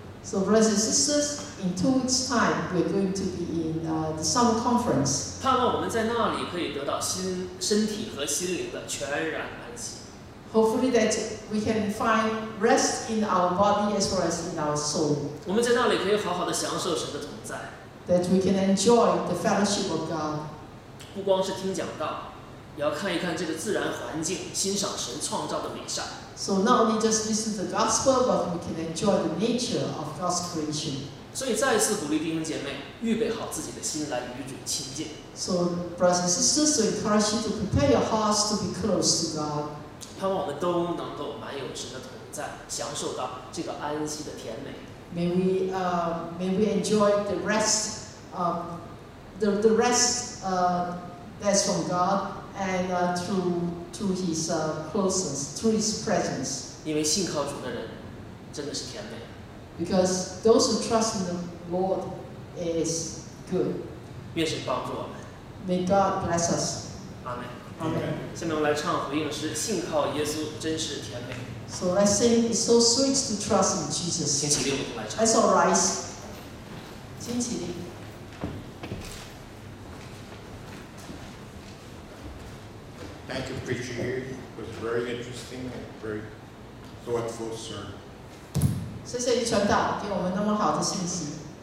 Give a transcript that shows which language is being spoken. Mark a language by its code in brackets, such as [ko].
[en] So brothers and sisters, in 2 weeks time, we're going to be in the summer conference. [zh] 盼望我们在那里可以得到身体和心灵的全然安息。 [en] Hopefully that we can find rest in our body as well as in our soul. [zh] 我们在那里可以好好的享受神的同在。 [en] That we can enjoy the fellowship of God. [zh] 不光是听讲道。也要看一看这个自然环境，欣赏神创造的美善。 [en] So not only just listen to the gospel, but we can enjoy the nature of God's creation. [zh] 所以再次鼓励弟兄姐妹，预备好自己的心来与主亲近。 [en] So brothers and sisters, we encourage you to prepare your hearts to be close to God. [zh] 盼望我们都能够满有神的同在，享受到这个安息的甜美。 [en] May we enjoy the rest that's from God. And through his closeness, through his presence. [zh] 因为信靠主的人真的是甜美。 [en] Because those who trust in the Lord is good. [zh] 愿神帮助我们。 [en] May God bless us. Amen. Amen. [zh] 下面我们来唱回应诗，信靠耶稣真是甜美。 [en] So let's sing, it's so sweet to trust in Jesus. [zh] 请起立，我们来唱。 [en] Let's all rise. [zh] 请起立。 [en] Thank you, Preacher Hugh. It was a very interesting and very thoughtful sermon. [zh] 谢谢你传道，给我们那么好的信息。